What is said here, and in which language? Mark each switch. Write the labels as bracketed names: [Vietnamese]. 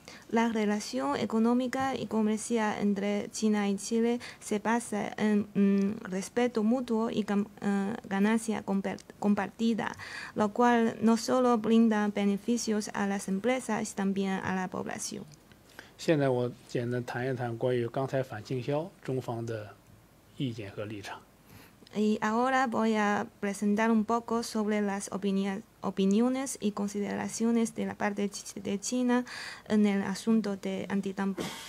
[Spanish] La relación económica y comercial entre China y Chile se basa en respeto mutuo y ganancia compartida, lo cual no solo brinda beneficios a las empresas, también a la población. [Chinese] 现在我简单谈一谈关于钢材反倾销中方的意见和立场。 [Spanish] Y ahora voy a presentar un poco sobre las opiniones y consideraciones de la parte de China en el asunto de antidumping.